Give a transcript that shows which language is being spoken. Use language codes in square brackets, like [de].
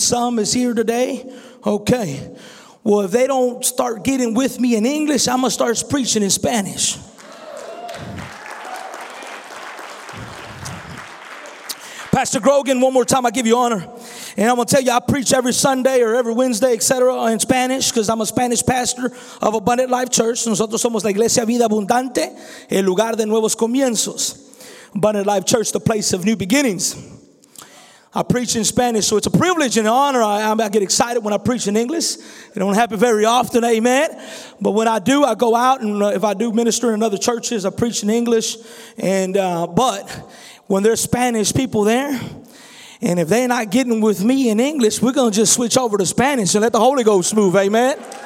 [en] Some is here today. Okay. Well, if they don't start getting with me in English, I'm going to start preaching in Spanish. Pastor Grogan, one more time, I give you honor. And I'm going to tell you, I preach every Sunday or every Wednesday, etc., in Spanish, because I'm a Spanish pastor of Abundant Life Church. [es] Nosotros somos la Iglesia Vida Abundante, el lugar de nuevos comienzos. [en] Abundant Life Church, the place of new beginnings. I preach in Spanish, so it's a privilege and an honor. I get excited when I preach in English. It don't happen very often, amen. But when I do, I go out, and if I do minister in other churches, I preach in English. But when there's Spanish people there, and if they're not getting with me in English, we're going to just switch over to Spanish and let the Holy Ghost move, amen.